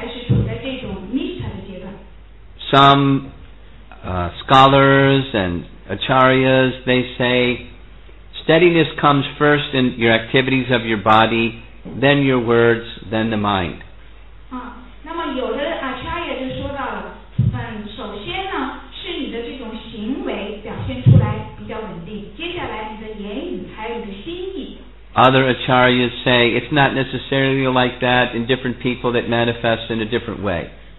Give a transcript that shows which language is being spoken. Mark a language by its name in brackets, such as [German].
[English] Some scholars and acharyas, they say steadiness comes first in your activities of your body, then your words, then the mind. [Chinese] 那么有的 acharya 就说到了，首先呢是你的这种行为表现出来比较稳定，接下来你的言语还有你的心意。 [English] Other acharyas say it's not necessarily like that in different people that manifest in a different way.